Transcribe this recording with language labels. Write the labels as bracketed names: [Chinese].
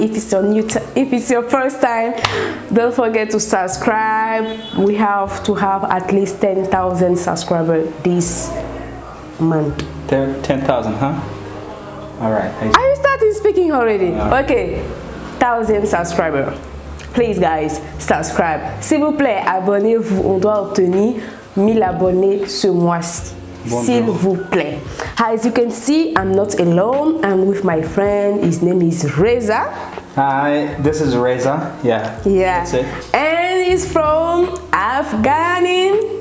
[English] If it's your first time, don't forget to subscribe. We have to have at least 10,000 subscribers this month. 10,000, huh? All right. Are you starting speaking already? Okay. 1,000 subscribers. Please guys, subscribe. [French] S'il vous plaît, abonnez-vous. On doit obtenir 1,000 abonnés ce mois-ci. Bonjour. S'il vous plaît. [English] As you can see, I'm not alone. I'm with my friend. His name is Reza. Hi, this is Reza. Yeah. Yeah. That's it. And he's from Afghanistan.